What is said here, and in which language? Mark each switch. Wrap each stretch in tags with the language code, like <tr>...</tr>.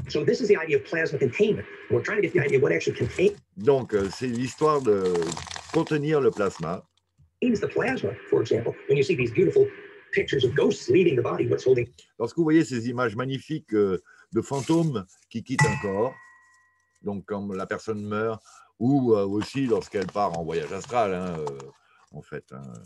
<en>So this is the idea of plasma containment. We're trying to get the idea of what actually contains.</en> <fr>Donc, c'est l'histoire de contenir le plasma.</fr> <en>It's the plasma, for example, when you see these beautiful pictures of ghosts leaving the body, what's holding?</en> <fr>Lorsque vous voyez ces images magnifiques de fantômes qui quittent un corps, donc quand la personne meurt. Ou aussi lorsqu'elle part en voyage astral, hein, en fait. Hein.</fr>